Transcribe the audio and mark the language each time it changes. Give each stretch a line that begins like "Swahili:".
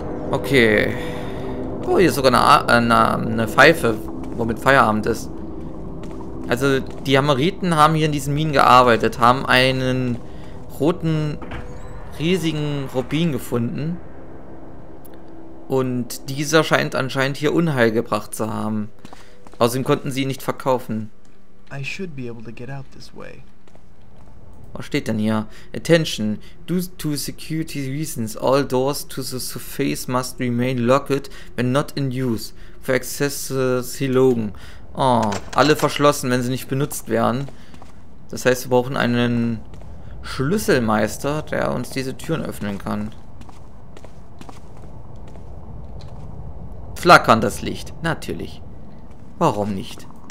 German: Okay. Oh, hier ist sogar eine Pfeife, womit Feierabend ist. Also, die Hamariten haben hier in diesen Minen gearbeitet, haben einen roten, riesigen Rubin gefunden. Und dieser scheint anscheinend hier Unheil gebracht zu haben. Außerdem konnten sie ihn nicht verkaufen.
English: I should be able to get out this way.
German: Was steht denn hier?
English: Attention. Due to security reasons, all doors to the surface must remain locked when not in use. For access to the Silogen.
German: Oh, alle verschlossen, wenn sie nicht benutzt werden. Das heißt, wir brauchen einen Schlüsselmeister, der uns diese Türen öffnen kann. Flackern das Licht. Natürlich. Warum nicht?